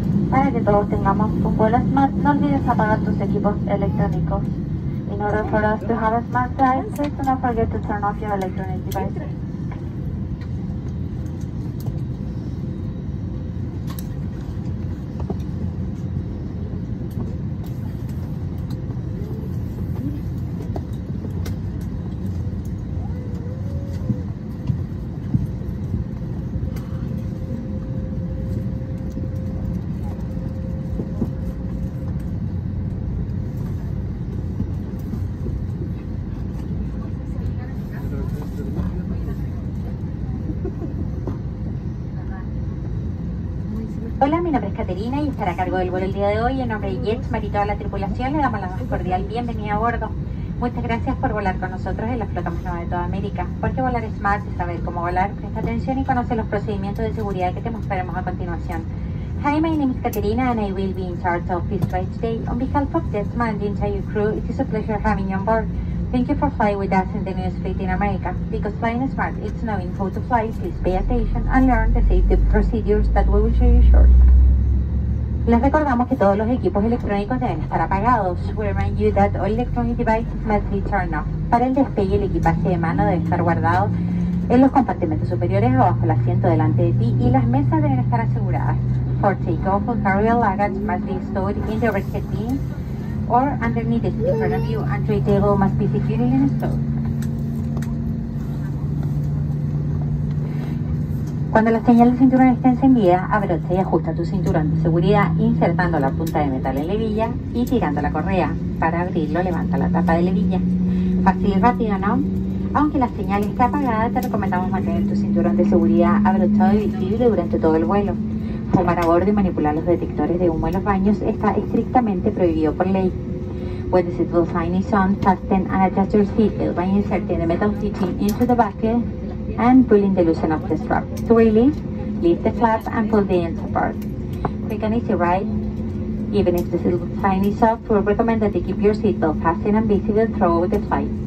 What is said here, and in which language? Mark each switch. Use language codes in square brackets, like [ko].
[es] para que todos tengamos un vuelo smart, no olvides apagar tus equipos electrónicos. [en] In order for us to have a smart flight, please do not forget to turn off your electronic devices. [es] Hola, mi nombre es Caterina y estaré a cargo del vuelo el día de hoy. En nombre de JETSMART y toda la tripulación, le damos la más cordial bienvenida a bordo. Muchas gracias por volar con nosotros en la flota más nueva de toda América. Porque volar es más que saber cómo volar, presta atención y conoce los procedimientos de seguridad que te mostraremos a continuación. [en] Hi, my name is Caterina and I will be in charge of this flight today. On behalf of JETSMART and the entire crew, it is a pleasure having you on board. Thank you for flying with us in the newest fleet in America. Because flying is smart, it's knowing how to fly, please pay attention and learn the safety procedures that we will show you shortly. [es] Les recordamos que todos los equipos electrónicos deben estar apagados. [en] We remind you that all electronic devices must be turned off. [es] Para el despegue, el equipaje de mano debe estar guardado en los compartimentos superiores o bajo el asiento delante de ti y las mesas deben estar aseguradas. [en] For takeoff, all carry-on luggage must be stored in the overhead bin or underneath the seat in front of you, and tray table must be securely installed. [es] Cuando la señal de cinturón esté encendida, abrocha y ajusta tu cinturón de seguridad insertando la punta de metal en la hebilla y tirando la correa. Para abrirlo, levanta la tapa de la hebilla. Fácil y rápido, ¿no? Aunque la señal esté apagada, te recomendamos mantener tu cinturón de seguridad abrochado y visible durante todo el vuelo. Fumar a bordo y manipular los detectores de humo en los baños está estrictamente prohibido por ley. [en] When the seatbelt sign is on, fasten and adjust your seatbelt by inserting the metal fitting into the buckle and pulling the loosen of the strap. To release, lift the flap and pull the ends apart. Quick and easy, right? Even if the seatbelt sign is off, we recommend that you keep your seatbelt fastened and visible throughout the flight.